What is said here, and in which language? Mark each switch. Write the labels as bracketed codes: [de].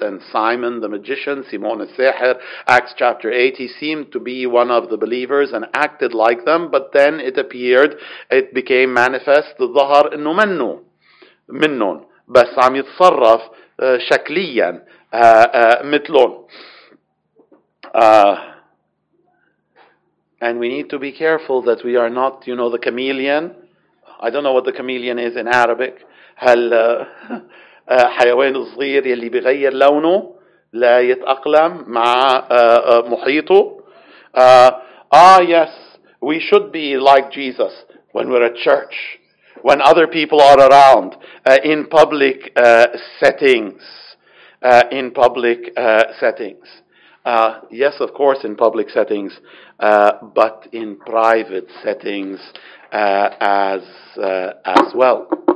[en] And Simon the magician, Simon al-Sahir, Acts chapter 8, he seemed to be one of the believers and acted like them, but then it became manifest, [ar] ظهر إنه منه منهم بس عم يتصرف شكلياً مثلون. [en] And we need to be careful that we are not, you know, the chameleon. I don't know what the chameleon is in Arabic. [ar] هل حيوان صغير يلي بغير لونه لا يتأقلم مع محيطه. [en] Yes, we should be like Jesus when we're at church, when other people are around, in public settings. In public settings. Yes, of course, in public settings, but in private settings as well.